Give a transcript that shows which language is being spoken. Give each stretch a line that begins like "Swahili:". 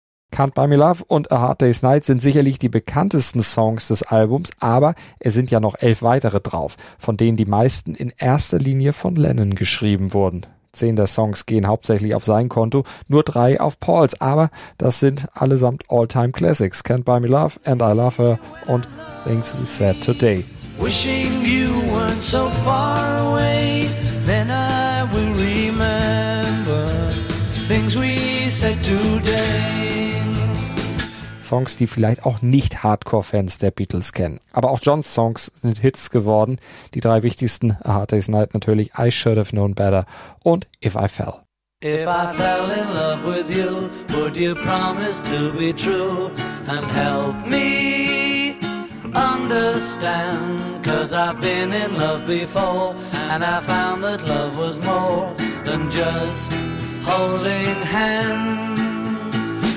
German: Can't Buy Me Love und A Hard Day's Night sind sicherlich die bekanntesten Songs des Albums, aber es sind ja noch 11 weitere drauf, von denen die meisten in erster Linie von Lennon geschrieben wurden. 10 der Songs gehen hauptsächlich auf sein Konto, nur 3 auf Pauls, aber das sind allesamt All-Time Classics. Can't Buy Me Love, And I Love Her und Things We Said Today.
English: Wishing you weren't so far away, then I will remember things we said today.
German: Songs, die vielleicht auch nicht Hardcore-Fans der Beatles kennen. Aber auch Johns Songs sind Hits geworden. Die 3 wichtigsten, A Hard Day's Night natürlich, I Should Have Known Better und If I Fell.
English: If I fell in love with you, would you promise to be true and help me understand? Cause I've been in love before and I found that love was more than just holding hands.